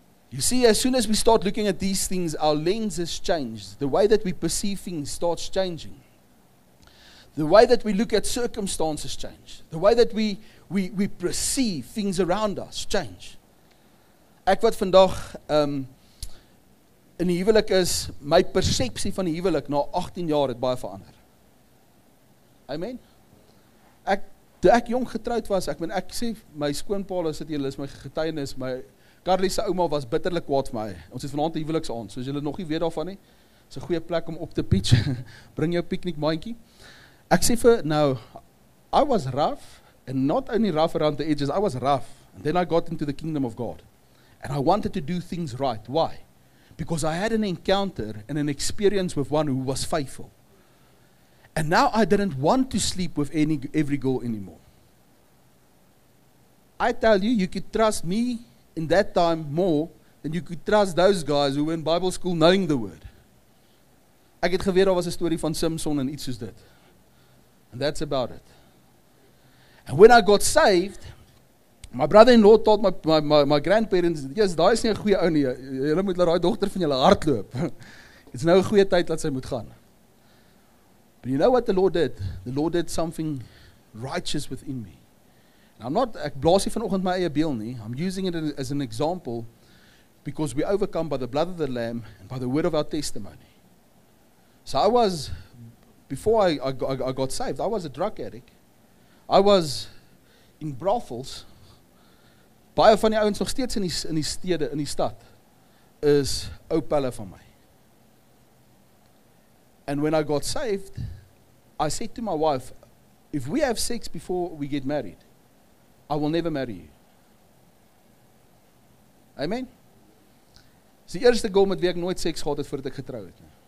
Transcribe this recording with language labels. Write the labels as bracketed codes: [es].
[en] You see, as soon as we start looking at these things, our lenses change. The way that we perceive things starts changing. The way that we look at circumstances change. The way that we perceive things around us change. [af] Ek wat vandag in die huwelik is, my persepsie van die huwelik na 18 jaar het baie verander. Amen? Toe ek jong getroud was, ek sê, my skoonpaal is dit, julle is my getuienis, my Carly se ouma was bitterlik kwaad vir my. Ons het vanaand 'n huweliksaand, soos julle nog nie weet daarvan nie. is 'n goeie plek om op te pitch. Bring jou picnic mandjie. Ek sê vir nou, [en] I was rough, and not only rough around the edges, I was rough. And then I got into the kingdom of God. And I wanted to do things right. Why? Because I had an encounter and an experience with one who was faithful. And now I didn't want to sleep with every girl anymore. I tell you, you could trust me in that time more than you could trust those guys who were in Bible school knowing the word. [af] Ek het geweet daar was 'n story van Samson en iets soos dit. [en] And that's about it. And when I got saved, my brother-in-law told my grandparents, yes, [af] daai is nie 'n goeie ou nie, jylle moet laat daai dogter van jylle hardloop. It's nou 'n goeie tyd dat sy moet gaan. [en] But you know what the Lord did? The Lord did something righteous within me. And I'm not, [af] ek blaas hier vanoggend my eie beel nie, [en] I'm using it as an example, because we overcome by the blood of the Lamb, and by the word of our testimony. So I was, before I got saved, I was a drug addict. I was in brothels. [af] Baie van die ouens nog steeds in die stede, in die stad, is ou pelle van my. [en] And when I got saved, I said to my wife, if we have sex before we get married, I will never marry you. Amen? [af] Is die eerste girl met wie ek nooit seks gehad het voordat ek getrou het.